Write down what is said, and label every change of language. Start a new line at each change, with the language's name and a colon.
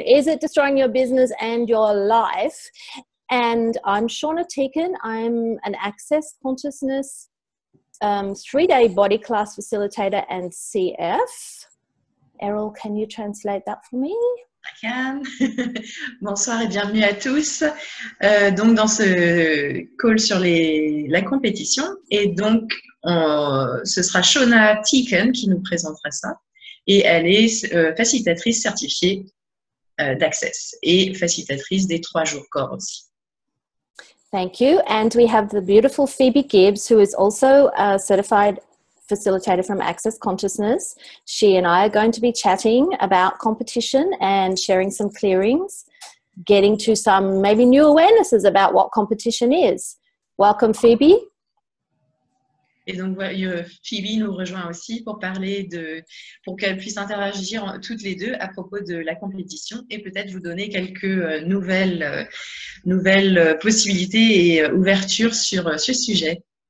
English: Is it destroying your business and your life? And I'm Shauna Teaken. I'm an Access Consciousness 3-day body class facilitator and CF. Eryl, can you translate that for me? I can.
French: Bonsoir et bienvenue à tous. Donc dans ce call sur la compétition, et donc ce sera Shauna Teaken qui nous présentera ça, et elle est facilitatrice certifiée d'Access et facilitatrice des 3 jours corps aussi.
English: Thank you, and we have the beautiful Phoebe Gibbs, who is also a certified facilitator from Access Consciousness. She and I are going to be chatting about competition and sharing some clearings, getting to some maybe new awarenesses about what competition is. Welcome, Phoebe.
French: Et donc Phoebe nous rejoint aussi pour qu'elle puisse interagir toutes les deux à propos de la compétition et peut-être vous donner quelques nouvelles possibilités et ouvertures sur ce sujet.